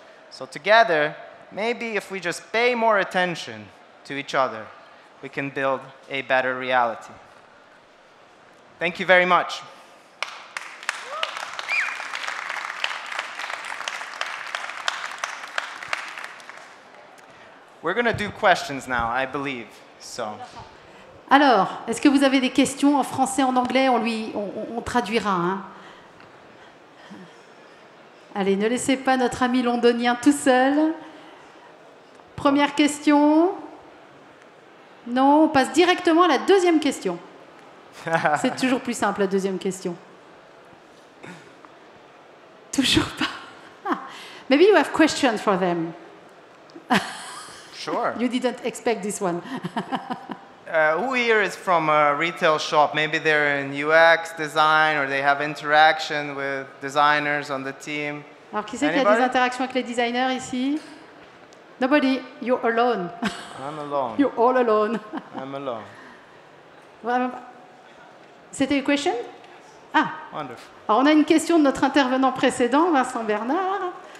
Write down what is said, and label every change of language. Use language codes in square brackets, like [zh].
[en] So together, maybe if we just pay more attention to each other, we can build a better reality. Thank you very much. We're going to do questions now, I believe. So. [fr] Alors, est-ce que vous avez des questions en français, en anglais? On traduira. Hein? Allez, ne laissez pas notre ami londonien tout seul. Première question. Non, on passe directement à la deuxième question. C'est toujours plus simple, la deuxième question. Toujours pas. [en] Maybe you have questions for them. Sure. You didn't expect this one. Who here is from a retail shop? Maybe they're in UX design or they have interaction with designers on the team. [fr] Alors, qui c'est qui a des interactions avec les designers ici? [en] Nobody, you're alone. I'm alone. You're all alone. I'm alone. [fr] C'était une question? [en] Ah. Wonderful. [fr] Alors, on a une question de notre intervenant précédent, Vincent Bernard.